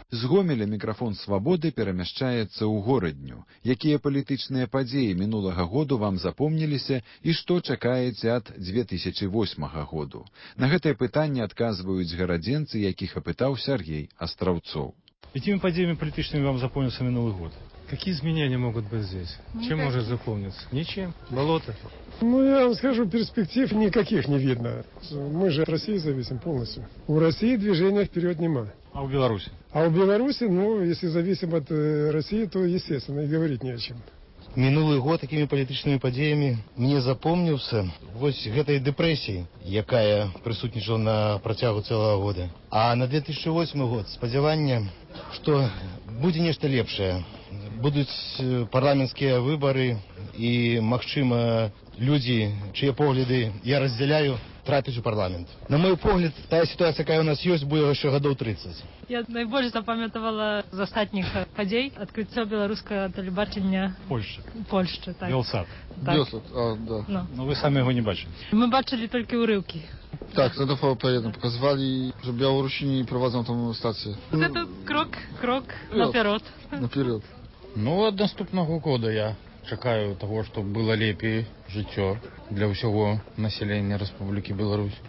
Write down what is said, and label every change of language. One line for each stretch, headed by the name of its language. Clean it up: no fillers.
Belarusian: З Гомеля мікрафон свабоды перамяшчаецца ў Горадню. Якія палітычныя падзеі мінулага году вам запомніліся і што чакаеце ад 2008 году? На гэтае пытанне адказваюць гарадзенцы, якіх апытаў Сергей Астраўцоў. Якімі падзеямі палітычнымі вам запомніліся мінулы год?
Russian: Какие изменения могут быть здесь? Никак. Чем может запомниться? Ничем? Болото? Ну, я вам скажу, перспектив никаких не видно. Мы же от России зависим полностью. У России движения вперед нема. А у Беларуси? А у Беларуси, ну, если зависим от России, то, естественно, и говорить не о чем. Минулый год такими политическими подеями мне запомнился. Вот этой депрессии, якая присутничала на протягу целого года. А на 2008 год с подеванием, что будет нечто лепшее.
Belarusian: Будуць парламенцкія выбары і, магчыма, людзі, чыя погляды я раздзяляю, трапіць у парламент. На мой погляд, тая сітуацыя, якая ў нас ёсць, будзе яшчэ гадоў 30. Я найбольш запамятавала з астатніх падзей адкрыццё беларускага тэлебачання Польшчы. Польшчы, так. Белсат. Так. Белсат, а, да. Ну, вы самі яго не бачылі. Мы бачылі толькі ўрыўкі.
Russian: Так, за ДФП-1 показывали, что белорусчане проводят там стацию. Вот это крок наперед. Наперед. Ну, от наступного года я чакаю того, чтобы было лепее житё для всего населения Республики Беларусь.